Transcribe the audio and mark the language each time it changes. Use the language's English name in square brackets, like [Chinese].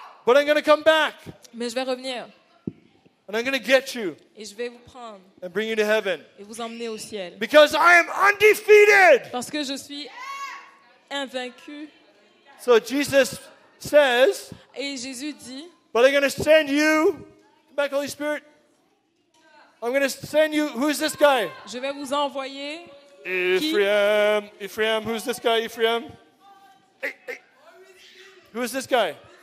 [English] But I'm going to come back. [French] Mais je vais revenir. [English] And I'm going to get you. [French] Et je vais vous prendre. [English] And bring you to heaven. [French] Et vous emmener au ciel. [English] Because I am undefeated. [French] Parce que je suis invaincu. [English] So Jesus says, [French] et Jésus dit, [English] but I'm going to send you back, Holy Spirit. I'm going to send you. Who is this guy? [French] Je vais vous envoyer. [English] Ephraim. [French] Qui? [English] Ephraim. Who's this guy? Ephraim. Hey, hey. Who is this guy?